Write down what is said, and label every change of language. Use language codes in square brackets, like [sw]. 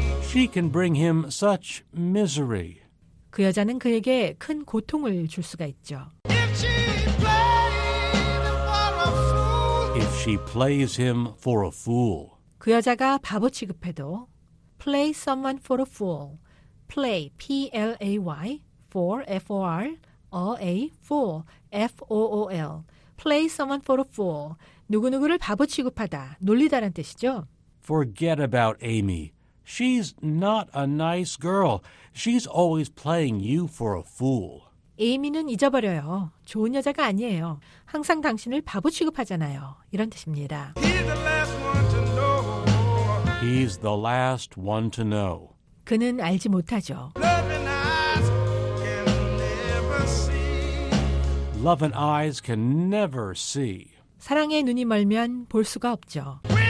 [en] She can bring him such misery. [ko] 그 여자는 그에게 큰 고통을 줄 수가 있죠. [en] If she plays him for a fool. If she plays him for a fool. [ko] 그 여자가 바보 취급해도 [en] play someone for a fool. Play, P-L-A-Y, for, F-O-R, a, fool, F-O-O-L. Play someone for a fool. [ko] 누구누구를 바보 취급하다, 놀리다란 뜻이죠. [en] Forget about Amy. She's not a nice girl. She's always playing you for a fool. [ko] Amy는 잊어버려요. 좋은 여자가 아니에요. 항상 당신을 바보 취급하잖아요. 이런 뜻입니다. [en] He's the last one to know. He's the last one to know. [ko] 그는 알지 못하죠. [en] Love and eyes can never see. Love and eyes can never see. [ko] 사랑의 눈이 멀면 볼 수가 없죠.